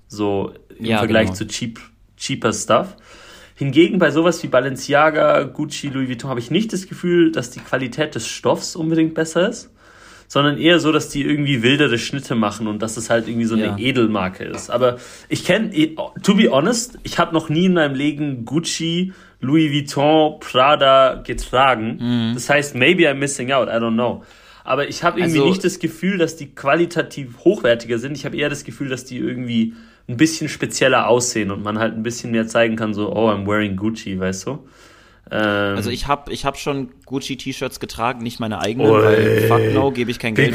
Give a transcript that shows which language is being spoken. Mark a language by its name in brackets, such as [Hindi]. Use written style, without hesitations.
[German] So im Vergleich zu cheaper Stuff. Hingegen bei sowas wie Balenciaga, Gucci, Louis Vuitton habe ich nicht das Gefühl, dass die Qualität des Stoffs unbedingt besser ist, sondern eher so, dass die irgendwie wildere Schnitte machen und dass es halt irgendwie so eine Edelmarke ist. Aber ich kenne, [English] to be honest, [German] ich habe noch nie in meinem Leben Gucci, Louis Vuitton, Prada getragen. Das heißt, [English] maybe I'm missing out, I don't know. [German] Aber ich habe irgendwie nicht das Gefühl, dass die qualitativ hochwertiger sind. Ich habe eher das Gefühl, dass die irgendwie ein bisschen spezieller aussehen und man halt ein bisschen mehr zeigen kann, so, [English] oh, I'm wearing Gucci, [German] weißt du? Also ich hab schon Gucci-T-Shirts getragen, nicht meine eigenen, weil [English] fuck no, [German] gebe ich kein Geld